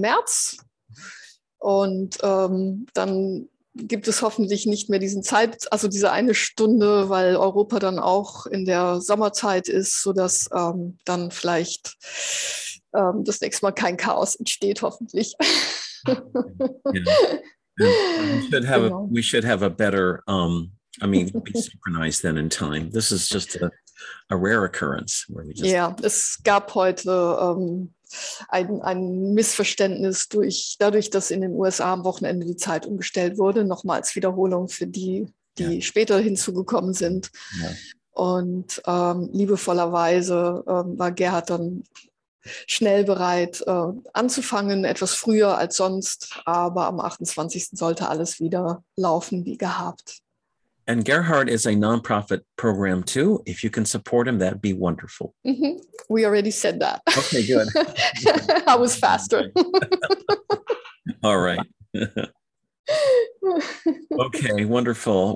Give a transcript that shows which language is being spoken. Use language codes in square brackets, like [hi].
[de] März und dann gibt es hoffentlich nicht mehr diesen Zeit, also diese eine Stunde, weil Europa dann auch in der Sommerzeit ist, sodass dann vielleicht das nächste Mal kein Chaos entsteht, hoffentlich. [en] We should have a better, be synchronized then in time. This is just a rare occurrence. [de] Es gab heute ein Missverständnis dadurch, dass in den USA am Wochenende die Zeit umgestellt wurde. Nochmals Wiederholung für die später hinzugekommen sind. [en] Yeah. [de] Und liebevollerweise war Gerhard dann schnell bereit anzufangen, etwas früher als sonst, aber am 28. sollte alles wieder laufen wie gehabt. [en] And Gerhard is a non-profit program too. If you can support him, that'd be wonderful. Mm-hmm. We already said that. Okay, good. I was faster. All right. Okay, wonderful.